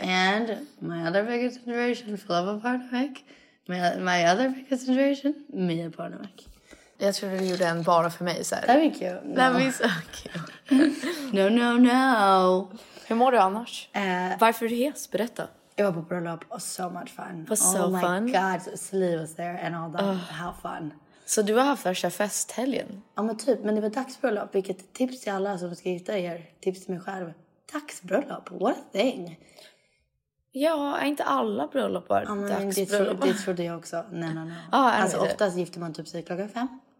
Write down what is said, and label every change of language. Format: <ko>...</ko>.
<en>And my other biggest inspiration, Filippa Barnwick. My other biggest inspiration, Mia Barnwick.</en> <sv>Jag tror du gjorde en bara för mig, såhär.</sv> <en>That would be cute. No. That would be so cute. No, no, no.</en> <sv>Hur mår du annars? Varför är du hes? Berätta. Jag var på bröllop och</sv> <en>so much fun. It was so fun. Oh my god, Celie was there and all that. How fun.</en> <sv>Så du var här för att köra festhelgen? Ja, men typ. Men det var dagsbröllop. Vilket tips till alla som ska hitta er. Tips till mig själv. Dagsbröllop.</sv> <en>What a thing.</en> <sv>Ja, är inte alla bröllopar dagsbröllop? Det trodde jag också. Nej, nej, nej. Ah, alltså oftast gifter man typ sig klockan 5.</sv>